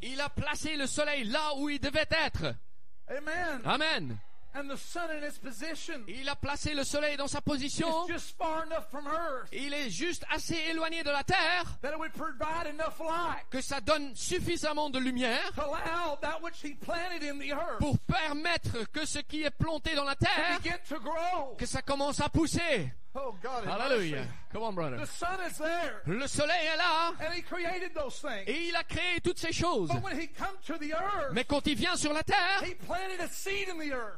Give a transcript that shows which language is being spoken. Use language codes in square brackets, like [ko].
[fr] Il a placé le soleil là où il devait être. Amen. Amen. [en] And the sun in its position. [fr] Il a placé le soleil dans sa position. [en] It's just far enough from Earth. [fr] Il est juste assez éloigné de la Terre. [en] That it would provide enough light. [fr] Que ça donne suffisamment de lumière. [en] To allow that which he planted in the earth. [fr] Pour permettre que ce qui est planté dans la Terre. [en] To begin to grow. [fr] Que ça commence à pousser. [en] Oh God, hallelujah. Mercy. Come on, brother. The sun is there. [fr] Le soleil est là. [en] And he created those things. [fr] Et il a créé toutes ces choses. [en] But when he come to the earth, [fr] mais quand il vient sur la terre, [en] he planted a seed in the earth.